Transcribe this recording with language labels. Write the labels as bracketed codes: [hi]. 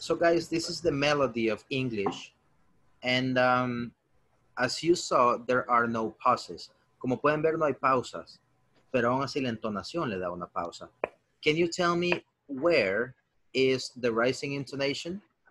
[en] So guys, this is the melody of English. And as you saw, there are no pauses. [es] Como pueden ver, no hay pausas. Pero aún así la entonación le da una pausa. [en] Can you tell me where is the rising intonation?